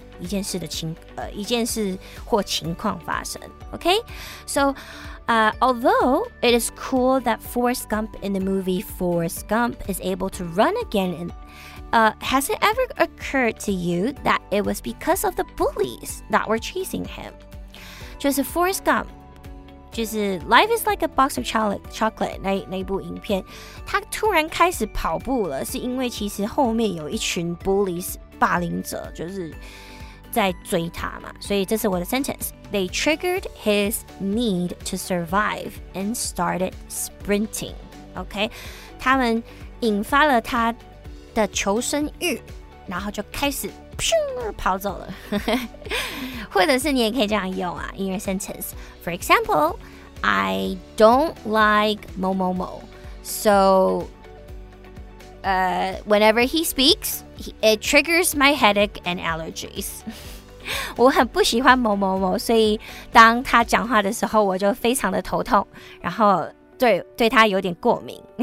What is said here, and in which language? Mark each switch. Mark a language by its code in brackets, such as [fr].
[zh] 一件事的情一件事或情况发生 [en] okay so although it is cool that Forrest Gump in the movie Forrest Gump is able to run again has it ever occurred to you that it was because of the bullies that were chasing him [zh] 就是 [en] Forrest Gump 就是 Life is like a box of chocolate [zh] 那部影片他突然开始跑步了是因为其实后面有一群 [en] bullies [zh] 霸凌者就是在追他嘛，所以这是我的 sentence. [en] They triggered his need to survive and started sprinting. [zh] OK, 他们引发了他的求生欲，然后就开始咻跑走了。或者是你也可以这样用啊 [en] in your sentence. For example, I don't like [zh] 某某某 [en] so whenever he speaks, it triggers my headache and allergies. [zh] 我很不喜欢某某某，所以当他讲话的时候，我就非常的头痛，然后对他有点过敏。